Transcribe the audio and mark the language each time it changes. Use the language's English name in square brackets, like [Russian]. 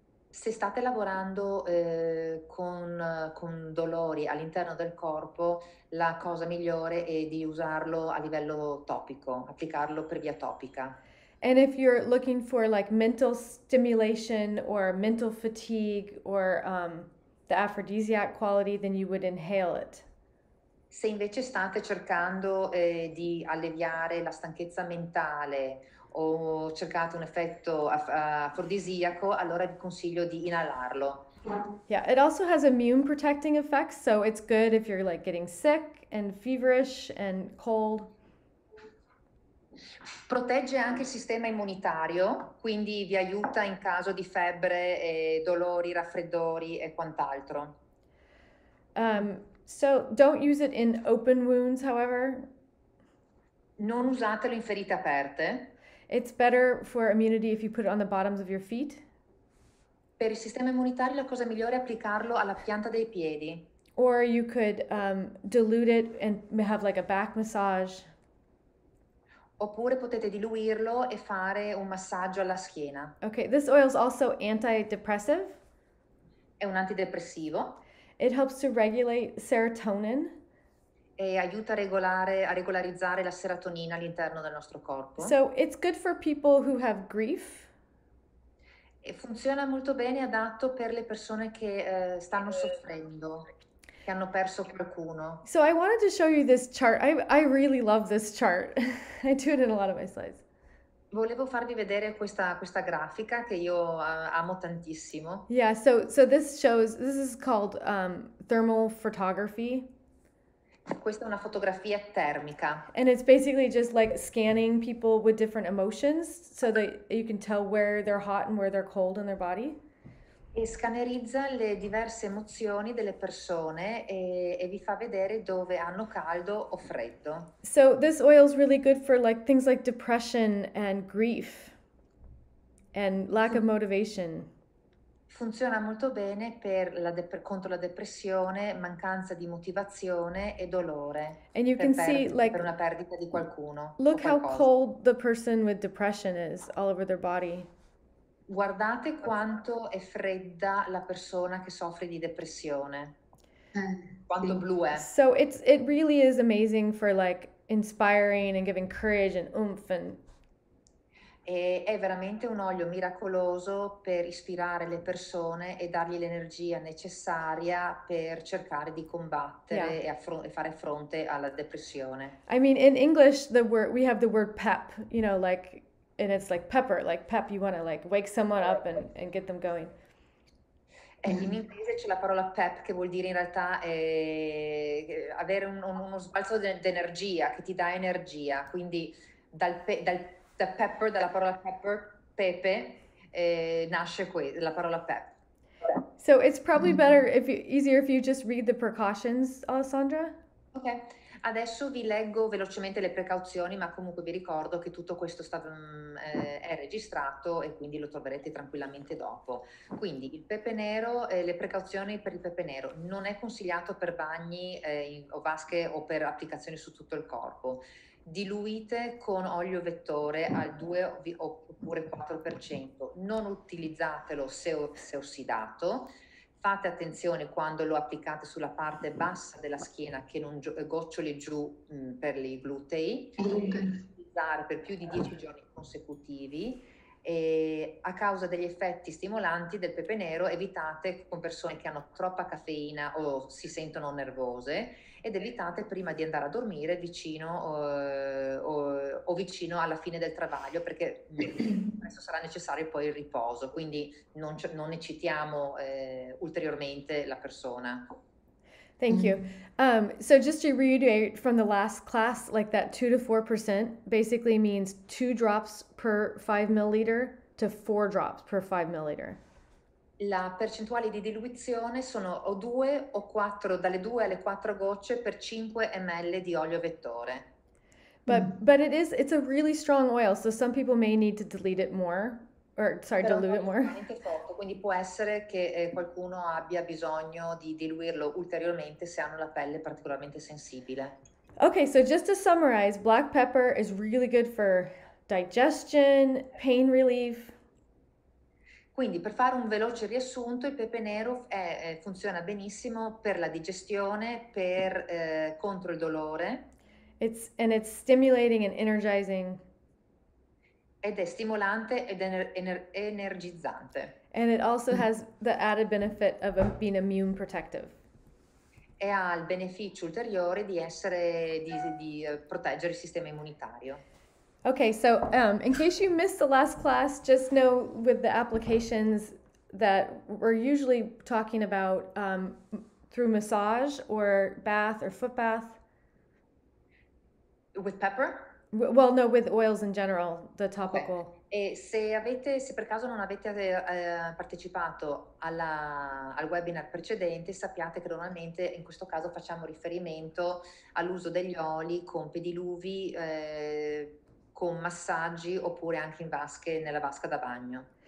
[Italian] Se state lavorando con dolori all'interno del corpo, la cosa migliore è di usarlo a livello topico, applicarlo per via topica. [English] And if you're looking for like mental stimulation or mental fatigue or the aphrodisiac quality, then you would inhale it. [Italian] Se invece state cercando di alleviare la stanchezza mentale, o cercate un effetto afrodisiaco, allora vi consiglio di inalarlo. [English] Yeah, it also has immune protecting effects, so it's good if you're like getting sick and feverish and cold. [Italian] Protegge anche il sistema immunitario, quindi vi aiuta in caso di febbre, dolori, raffreddori e quant'altro. [English] So don't use it in open wounds, however. [Italian] Non usatelo in ferite aperte. [English] It's better for immunity if you put it on the bottoms of your feet. [Italian] Per il sistema immunitario la cosa migliore è applicarlo alla pianta dei piedi. [English] Or you could dilute it and have like a back massage. [Italian] Oppure potete diluirlo e fare un massaggio alla schiena. [English] Okay, this oil is also antidepressive. [Italian] È un antidepressivo. [English] It helps to regulate serotonin. [Italian] E aiuta a regolarizzare la serotonina all'interno del nostro corpo. [English] So it's good for people who have grief. [Italian] E funziona molto bene, adatto per le persone che stanno soffrendo, che hanno perso qualcuno. [English] So I wanted to show you this chart. I really love this chart. I do it in a lot of my slides. [Italian] Volevo farvi vedere questa grafica che io amo tantissimo. [English] Yeah, so this is called thermal photography. [Italian] Questa è una fotografia termica. [English] And it's basically just like scanning people with different emotions so that you can tell where they're hot and where they're cold in their body. [Italian] Scannerizza le diverse emozioni delle persone e vi fa vedere dove hanno caldo o freddo. [English] So this oil is really good for like things like depression and grief and lack of motivation. [Italian] Funziona molto bene contro la depressione, mancanza di motivazione e dolore [English] And you can see, [Italian] per [English] like, [Italian] una perdita di qualcuno [English] look [Italian] o [English] how [Italian] qualcosa. [English] cold the person with depression is all over their body. [Italian] Guardate quanto è fredda la persona che soffre di depressione, quanto Sì. blu è. [English] So it really is amazing for like inspiring and giving courage and oomph and. [Italian] E è veramente un olio miracoloso per ispirare le persone e dargli l'energia necessaria per cercare di [English] Yeah. [Italian] combattere e fare fronte alla depressione. [English] I mean, in English, we have the word pep, you know, like, and it's like pepper, like pep, you want to like wake someone up and get them going. [Italian] In inglese c'è la parola pep che vuol dire in realtà avere uno sbalzo di energia, che ti dà energia. Quindi Da pepper, dalla parola pepper, pepe, nasce qui la parola pep. [English] So it's probably better if you, easier if you just read the precautions, Alessandra. [Italian] Ok, adesso vi leggo velocemente le precauzioni, ma comunque vi ricordo che tutto questo è registrato e quindi lo troverete tranquillamente dopo. Quindi il pepe nero, le precauzioni per il pepe nero. Non è consigliato per bagni o vasche o per applicazioni su tutto il corpo. Diluite con olio vettore al 2 oppure 4%. Non utilizzatelo se ossidato. Fate attenzione quando lo applicate sulla parte bassa della schiena che non goccioli giù per i glutei. Utilizzare per più di 10 giorni consecutivi. E a causa degli effetti stimolanti del pepe nero, evitate con persone che hanno troppa caffeina o si sentono nervose, ed evitate prima di andare a dormire vicino, o vicino alla fine del travaglio, perché adesso sarà necessario poi il riposo, quindi non eccitiamo ulteriormente la persona. [English] Thank you. So just to reiterate from the last class, like that 2 to 4% basically means 2 drops per 5 milliliter to 4 drops per 5 milliliter. [Italian] La percentuale di diluizione sono o 2 o 4, dalle 2 alle 4 gocce per 5 ml di olio vettore. [English] But it's a really strong oil, so some people may need to dilute it more, dilute it more. [Italian] Forte, quindi può essere che qualcuno abbia bisogno di diluirlo ulteriormente se hanno la pelle particolarmente sensibile. [English] Okay, so just to summarize, black pepper is really good for digestion, pain relief. [Italian] Quindi per fare un veloce riassunto, il pepe nero funziona benissimo per la digestione, per contro il dolore. [English] It's stimulating and energizing. [Italian] Ed è stimolante ed energizzante. [English] And it also has the added benefit of being immune protective. [Italian] E ha il beneficio ulteriore di essere di proteggere il sistema immunitario. [English] Okay, so in case you missed the last class, just know with the applications that we're usually talking about through massage or bath or foot bath. With pepper? Well, no, with oils in general, the topical. Okay. [Italian] E se per caso non avete partecipato al webinar precedente, sappiate che normalmente in questo caso facciamo riferimento all'uso degli oli con pediluvi, con massaggi oppure anche in vasche, nella vasca da bagno.